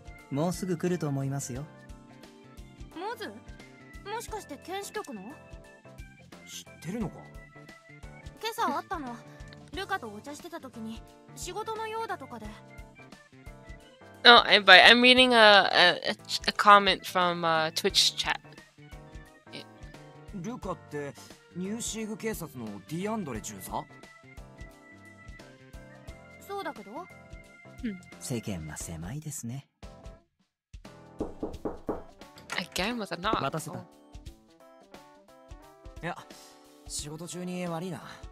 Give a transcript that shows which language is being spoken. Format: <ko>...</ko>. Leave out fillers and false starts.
<ja>もうすぐ来ると思いますよ。もず、もしかして検視局の？知ってるのか？今朝会ったの。ルカとお茶してた時に仕事のようだとかで。</ja> <en>No, I'm reading a comment from Twitch chat.</en> <ja>ルカってニューシーグ警察のディアンドレ巡査？そうだけど。世間は狭いですね。</ja> <en>Again with a knock.</en> <ja>待たせた。いや、仕事中に悪いな。</ja>